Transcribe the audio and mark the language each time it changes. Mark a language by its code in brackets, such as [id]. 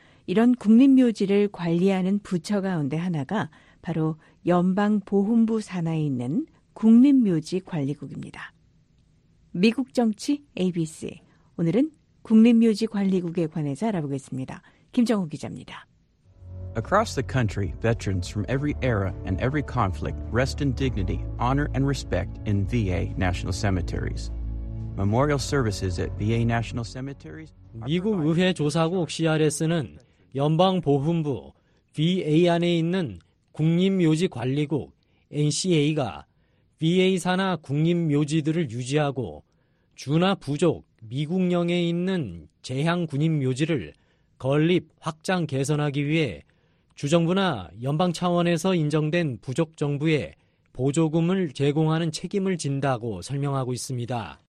[ko] 이런 국립묘지를 관리하는 부처 가운데 하나가 바로 연방보훈부 산하에 있는 국립묘지관리국입니다. 미국 정치 ABC, 오늘은 국립묘지관리국에 관해서 알아보겠습니다. 김정우 기자입니다. [en] Across the country, veterans from every era and every conflict rest in dignity, honor, and respect in VA National Cemeteries. Memorial services at VA National Cemeteries. [ko] 미국 의회 조사국 CRS는 연방보훈부 VA 안에 있는 국립묘지관리국 NCA가 VA 산하 국립묘지들을 유지하고 준하 부족 미국령에 있는 재향군인묘지를 건립, 확장, 개선하기 위해 주정부나 연방 차원에서 인정된 부족 정부에 보조금을 제공하는 책임을 진다고 설명하고 있습니다.